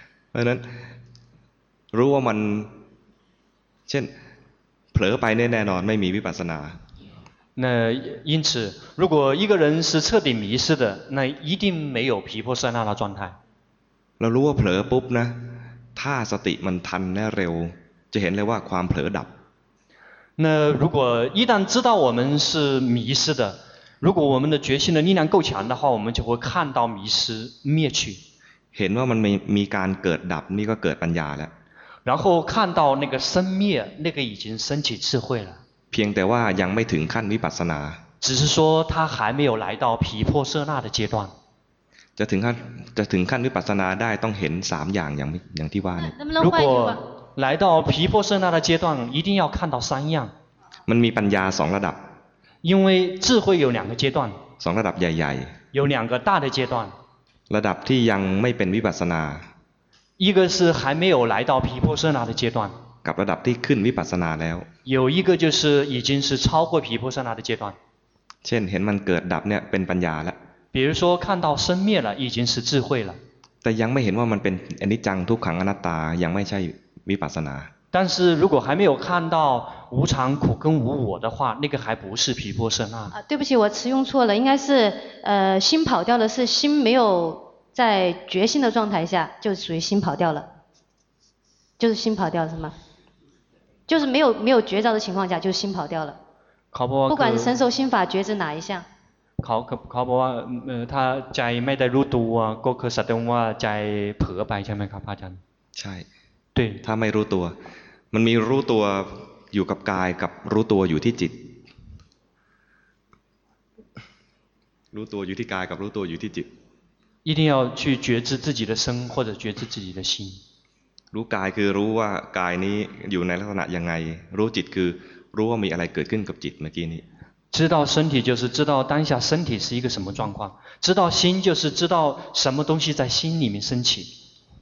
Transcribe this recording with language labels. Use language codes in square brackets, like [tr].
[th] เพราะฉะนั้นรู้ว่ามันเช่นเผลอไปแน่นอนไม่มีวิปัสสนา [zh] 那因此如果一个人是彻底迷失的那一定没有毗婆舍那的状态 [th] เรารู้ว่าเผลอปุ๊บนะถ้าสติมันทันและเร็วจะเห็นเลยว่าความเผลอดับ [zh] 那如果一旦知道我们是迷失的如果我们的决心的力量够强的话我们就会看到迷失灭去 [th] เห็นว่ามันมีการเกิดดับนี่ก็เกิดปัญญาแล้ว [zh] 然后看到那个生灭那个已经升起智慧了 [th] เพียงแต่ว่ายังไม่ถึงขั้นวิปัสสนา [zh] 只是说他还没有来到毗婆舍那的阶段 [th] จะถึงขั้นวิปัสสนาได้ต้องเห็น3อย่างอย่างที่ว่าเนี่ย [zh] 如果来到毗婆舍那的阶段一定要看到3样 [th] มันมีปัญญา2ระดับ [zh] 因为智慧有两个阶段 [th] สองระดับใหญ่ [zh] ๆ有两个大的阶段 [th] ระดับที่ยังไม่เป็นวิปัสสนา [zh] 一个是还没有来到毗婆舍那的阶段 [th] กับระดับที่ขึ้นวิปัสสนาแล้ว [zh] 有一个就是已经是超过毗婆舍那的阶段 [th] เช่นเห็นมันเกิดดับเนี่ยเป็นปัญญาแล้ว [zh] 比如说看到生灭了已经是智慧了 [th] แต่ยังไม่เห็นว่ามันเป็นอนิจจังทุกขังอนัตตายังไม่ใช่วิปัสสนา [zh] 但是如果还没有看到无常苦跟无我的话那个还不是毗婆舍那对不起我词用错了应该是心跑掉的是心没有在觉心的状态下就属于心跑掉了就是心跑掉了是吗就是没有觉照的情况下就是心跑掉了考不管身受心法觉知哪一项考不他在没得入度啊过客舍得我在破白下面考怕讲在对 [th] ถ้าไม่รู้ตัวมันมีรู้ตัวอยู่กับกายกับรู้ตัวอยู่ที่จิตรู้ตัวอยู่ที่กายกับรู้ตัวอยู่ที่จิต [zh] 一定要去觉知自己的身或者觉知自己的心。 [th] รู้กายคือรู้ว่ากายนี้อยู่ในลักษณะยังไงรู้จิตคือรู้ว่ามีอะไรเกิดขึ้นกับจิตเมื่อกี้นี้ [zh] 知道身体就是知道当下身体是一个什么状况知道心就是知道什么东西在心里面升起